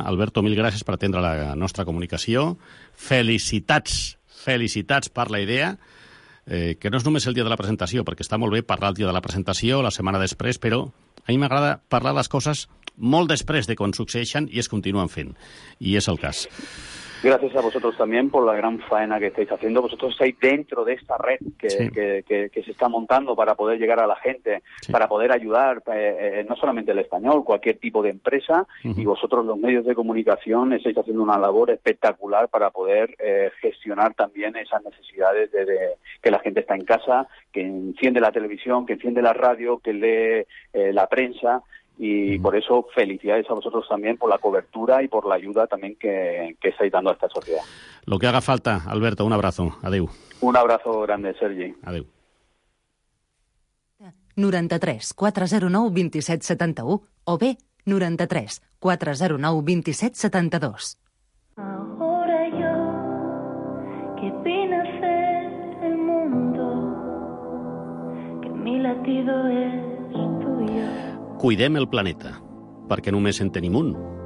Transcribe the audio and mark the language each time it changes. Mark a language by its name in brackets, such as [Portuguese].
[Catalan] Alberto, mil gràcies per atendre la nostra comunicació. Felicitats per la idea. que no és només el dia de la presentació, perquè està molt bé parlar el dia de la presentació, la setmana després, però a mi m'agrada parlar les coses molt després de quan succeeixen i es continuen fent, i és el cas. [Spanish] Gracias a vosotros también por la gran faena que estáis haciendo. Vosotros estáis dentro de esta red que, sí. que se está montando para poder llegar a la gente, sí. para poder ayudar, no solamente el español, cualquier tipo de empresa, uh-huh. y vosotros los medios de comunicación estáis haciendo una labor espectacular para poder gestionar también esas necesidades de que la gente está en casa, que enciende la televisión, que enciende la radio, que lee la prensa. Y por eso, felicidades a vosotros también por la cobertura y por la ayuda también que estáis dando a esta sociedad. Lo que haga falta, Alberto, un abrazo. Adiós. Un abrazo grande, Sergi. Adiós. [Catalan] 93-409-2771 o bé 93-409-2772. [Spanish] Ahora yo, que vine a ser el mundo, que mi latido es tuyo. [Catalan] Cuidem el planeta, perquè només en tenim un.